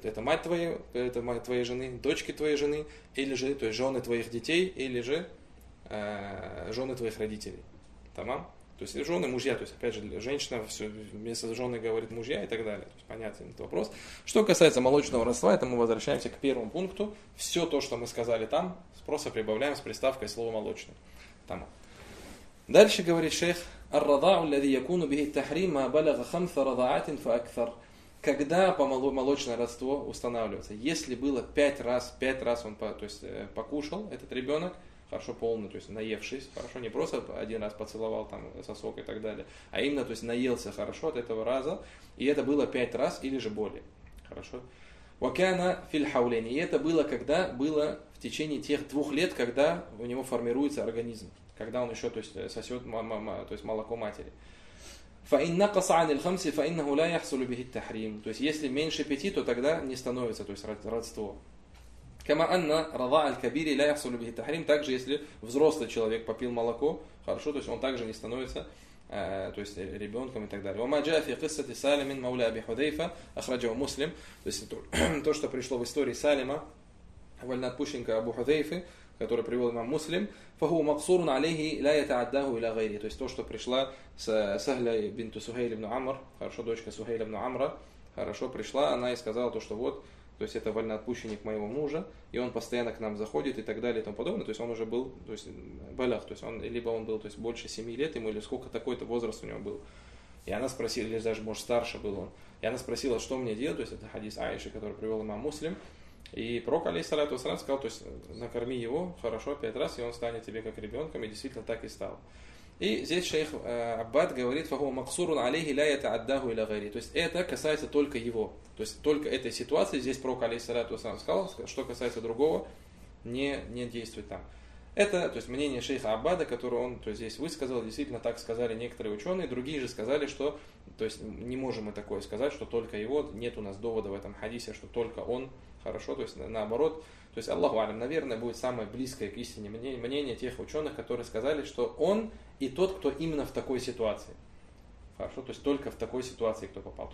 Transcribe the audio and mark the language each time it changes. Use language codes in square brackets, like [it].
[ru] Это мать твоей, это мать твоей жены, дочки твоей жены, или же, то есть жены твоих детей, или же жены твоих родителей. Тамам? То есть жены, мужья, то есть опять же, женщина все, вместо жены говорит мужья и так далее. То есть понятен этот вопрос. Что касается молочного родства, это мы возвращаемся к первому пункту. Все то, что мы сказали там, просто прибавляем с приставкой слово молочное. Тамам. Дальше говорит шейх. [ar] الرضاعُ الذي يكون به التحريم ما بلغ خمس رضاعات فأكثر. [ru] Когда молочное родство устанавливается, если было пять раз он, то есть покушал этот ребенок, хорошо полный, то есть наевшись, хорошо не просто один раз поцеловал там сосок и так далее, а именно то есть наелся хорошо от этого раза, и это было пять раз или же более, хорошо. [ar] وكان في الحولين. [ru] И это было когда? Было в течение тех 2 лет, когда у него формируется организм, когда он еще, то есть, сосет, то есть, молоко матери. [ar] فإن نقص عن الخمس فإنه لا يحصل به التحريم. [ru] То есть, если меньше 5, то тогда не становится, то есть, родство. [ar] كما أن رضاع الكبير لا يحصل به التحريم. [ru] Также, если взрослый человек попил молоко, хорошо, то есть, он также не становится, то есть, ребенком и так далее. [ar] وما جاء في قصة سالم مولى أبي حذيفة أخرجه مسلم. [ru] То есть, то, что пришло в истории Салима, вольноотпущенника Абу Худейфы, который привел имам Муслим, [ar] فهو مقصور عليه لا يتعداه إلى غيره. [ru] То есть то, что пришла с Сахлой бинт Сухейль ибн Амр, хорошо, дочка Сухейля ибн Амра, хорошо, пришла, она и сказала то, что вот, то есть это вольноотпущенник моего мужа, и он постоянно к нам заходит и так далее и тому подобное. То есть он уже был, то есть балях, то есть он либо он был, то есть больше 7 лет ему, или сколько такой-то возраст у него был. И она спросила, или даже может старше был он. И она спросила, что мне делать, то есть это хадис Аиши, который привел имам Муслим. И пророк, алейхиссалату вассалям, сказал, то есть, накорми его хорошо 5 раз, и он станет тебе как ребенком, и действительно так и стал. И здесь шейх Аббад говорит, [ar] فَهُوَ مَقْصُرٌ عَلَيْهِ لَا يَتَعَدَّهُ إِلَى غَيْرِهِ. [ru] То есть, это касается только его. То есть, только этой ситуации. Здесь пророк, алейхиссалату вассалям, сказал, что касается другого, не действует там. Это, то есть, мнение шейха Аббада, которое он, то есть, здесь высказал, действительно так сказали некоторые ученые, другие же сказали, что, то есть, не можем мы такое сказать, что только его, нет у нас довода в этом хадисе, что только он, хорошо, то есть, наоборот, то есть, Аллаху алям, наверное, будет самое близкое к истине мнение тех ученых, которые сказали, что он и тот, кто именно в такой ситуации, хорошо, то есть, только в такой ситуации кто попал.